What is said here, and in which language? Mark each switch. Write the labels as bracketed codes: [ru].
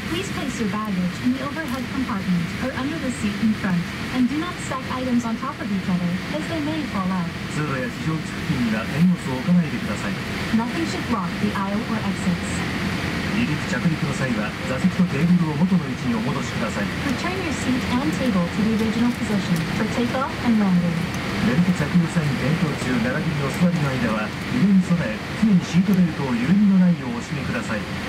[en] Please place your baggage in the overhead compartment or under the seat in front and do not stack items on top of each other as they may fall out. [ja] 通路や非常口付近には手荷物を置かないでください。 [en] Nothing should block the aisle or exits. [ja] 離陸着陸の際は座席とテーブルを元の位置にお戻しください。 [en] Return your seat and table to the original position for takeoff and landing. [ja] ベルト着用際に点灯中、並びにお座りの間は揺れに備え、常にシートベルトを緩みのないようお締めください。